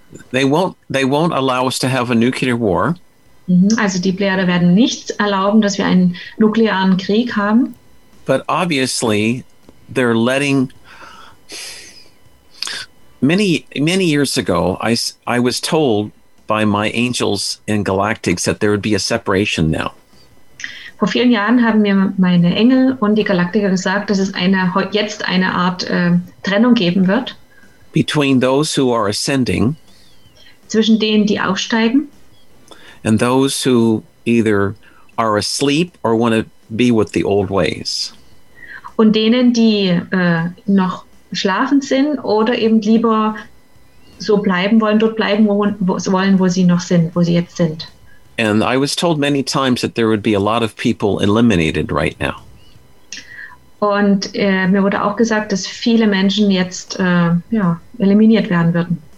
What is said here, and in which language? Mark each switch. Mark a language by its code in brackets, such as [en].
[en] They won't allow us to have a nuclear war. [de] Also die Pleiade werden nicht erlauben, dass wir einen nuklearen Krieg haben. [en] But obviously, they're letting... Many years ago, I was told by my angels in Galactics that there would be a separation now. [de] Vor vielen Jahren haben mir meine Engel und die Galaktiker gesagt, dass es jetzt eine Art Trennung geben wird. [en] Between those who are ascending, [de] zwischen denen, die aufsteigen, [en] and those who either are asleep or want to be with the old ways. [de] Und denen, die noch schlafend sind oder eben lieber so bleiben wollen, dort bleiben wollen, wo sie noch sind, wo sie jetzt sind. [en] And I was told many times that there would be a lot of people eliminated right now. [de] Und mir wurde auch gesagt, dass viele Menschen jetzt eliminiert werden würden.